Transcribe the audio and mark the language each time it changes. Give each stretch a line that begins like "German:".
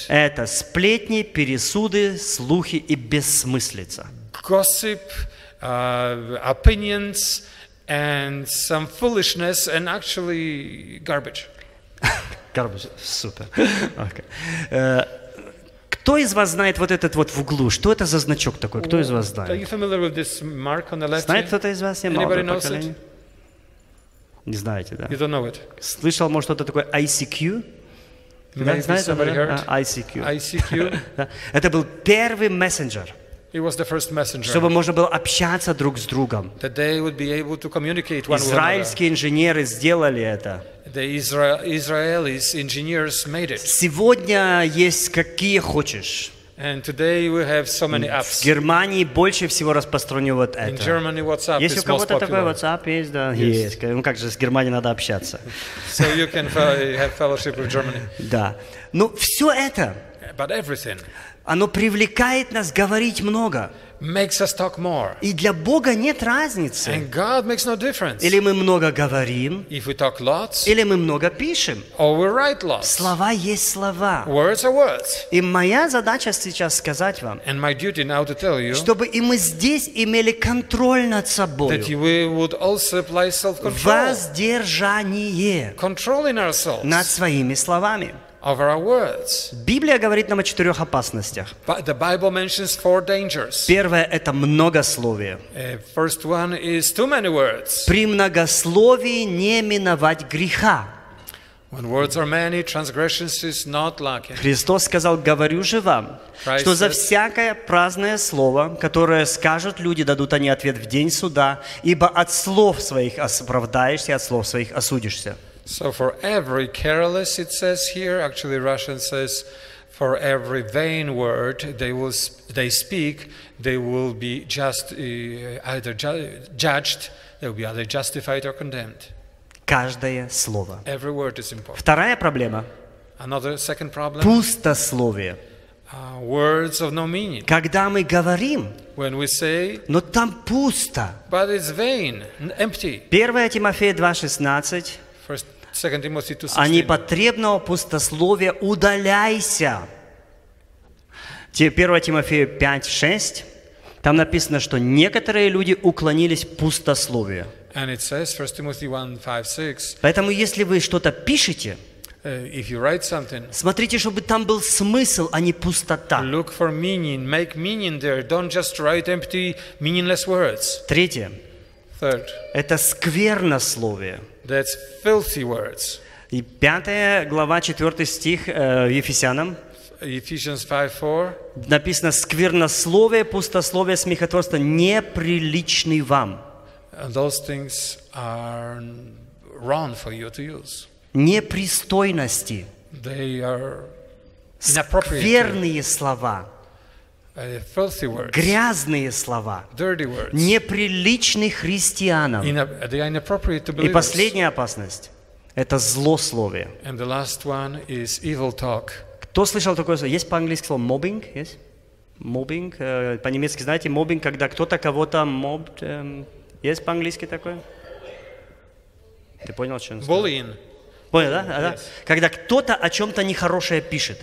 Russian: это сплетни, пересуды, слухи и бессмыслица.
English: Gossip, opinions, and some foolishness, and actually garbage. Garbage,
Russian: супер.
English: Okay.
Russian: Кто из вас знает вот этот вот в углу? Что это за значок такой? Кто из вас знает?
English: Are you familiar with this mark on the left?
Russian: Знает кто-то из вас?
English: Anybody knows it?
Russian: Не знаете, да?
English: You don't know it.
Russian: Слышал, может, кто-то такой ICQ?
English: Maybe somebody heard. ICQ. ICQ.
Russian: Это был первый мессенджер.
English: He was the first messenger.
Russian: Чтобы можно было общаться друг с другом.
English: That they would be able to communicate one
Russian: Израильские инженеры сделали это.
English: The Israelis engineers made it.
Russian: Сегодня есть какие хочешь.
English: And today we have so many apps.
Russian: В Германии больше всего распространено вот это.
English: In Germany WhatsApp is most popular.
Russian: Если у кого-то такой WhatsApp есть, да, есть. Ну как же с Германией надо общаться?
English: So you can have fellowship with Germany.
Russian: Да. Но все это.
English: But everything.
Russian: Оно привлекает нас говорить много.
English: Makes us talk more.
Russian: И для Бога нет разницы.
English: And God makes no difference.
Russian: Или мы много говорим.
English: If we talk lots.
Russian: Или мы много пишем.
English: Or we write lots.
Russian: Слова есть слова.
English: Words are words.
Russian: И моя задача сейчас сказать вам.
English: And my duty now to tell you.
Russian: Чтобы и мы здесь имели контроль над собой.
English: That we would also apply self-control.
Russian: Воздержание.
English: Controlling ourselves.
Russian: Над своими словами.
English: Over our words.
Russian: Библия говорит нам о четырех опасностях.
English: The Bible mentions four dangers.
Russian: Первое – это многословие.
English: First one is too many words.
Russian: При многословии не миновать греха.
English: When words are many, transgressions is not lacking.
Russian: Христос сказал: «Говорю же вам, что за всякое праздное слово, которое скажут люди, дадут они ответ в день суда, ибо от слов своих оправдаешься, от слов своих осудишься».
English: So for every careless, it says here, actually Russian says, for every vain word they speak, they will be just either judged, they will be either justified or condemned.
Russian: Каждое слово.
English: Every word is important.
Russian: Вторая проблема.
English: Another second problem.
Russian: Пустословие.
English: Words of no meaning.
Russian: Когда мы говорим,
English: when we say,
Russian: но там пусто.
English: But it's vain, empty.
Russian: 1 Тимофея 2:16.
English: Second Timothy 2:16.
Russian: Они потребного пустословия удаляйся. 1 Тимофею 5:6. Там написано, что некоторые люди уклонились пустословия.
English: And it says 1 Timothy 1:5-6.
Russian: Поэтому если вы что-то пишете,
English: if you write something,
Russian: смотрите, чтобы там был смысл, а не пустота.
English: Look for meaning, make meaning there. Don't just write empty, meaningless words.
Russian: Третье.
English: Third.
Russian: Это сквернословие.
English: That's filthy words.
Russian: И 5 глава, 4 стих Ефесянам.
English: Ephesians 5:4.
Russian: Написано: сквернословие, пустословие, смехотворство неприличны вам.
English: Those things are wrong for you to use.
Russian: Непристойности.
English: They are inappropriate.
Russian: Скверные слова.
English: Filthy words.
Russian: Грязные слова.
English: Dirty words.
Russian: Неприличны христианам.
English: Inappropriate to believers.
Russian: И последняя опасность – это злословие.
English: And the last one is evil talk.
Russian: Кто слышал такое слово? Есть по-английски слово mobbing? Есть? Mobbing? По-немецки знаете mobbing, когда кто-то кого-то mobbed? Есть по-английски такое? Ты понял, что он сказал?
English: Bullying.
Russian: Понял, да?
English: Yes.
Russian: Когда кто-то о чем-то нехорошее пишет,